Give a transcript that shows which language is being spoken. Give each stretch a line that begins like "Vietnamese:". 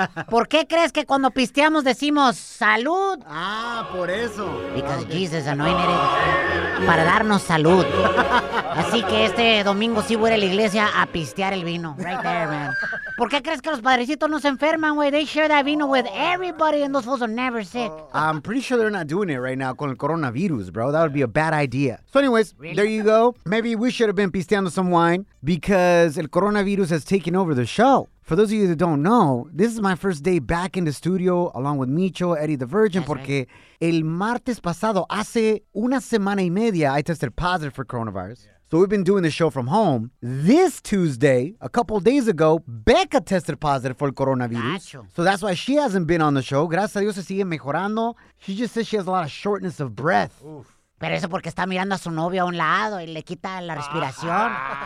Spanish: ¿Por qué crees que cuando pisteamos decimos salud? Ah, por eso.
English: Because Jesus anointed it
Spanish: para darnos salud. Así que este domingo sí voy a la iglesia a pistear el vino.
English: Right there, man.
Spanish: ¿Por qué crees que los padrecitos no se enferman, güey?
English: They share that vino with everybody and those fools are never sick. I'm pretty sure they're not doing it right now
Spanish: con el coronavirus,
English: bro. That would be a bad idea. So anyways, really? There you go. Maybe we should have been pisteando some wine because el coronavirus has taken over the show. For those of you that don't know, this is my first day back in the studio along with Micho, Eddie the Virgin, that's
Spanish: porque
English: right.
Spanish: El martes pasado, hace una semana y media,
English: I tested positive for coronavirus. Yeah. So we've been doing the show from home. This Tuesday, a couple days ago, Becca tested positive for coronavirus. Nacho. So that's why she hasn't been on the show.
Spanish: Gracias a Dios se sigue mejorando.
English: She just says she has a lot of shortness of breath. Oof.
Spanish: Pero eso porque está mirando a su novio a un lado y le quita la respiración.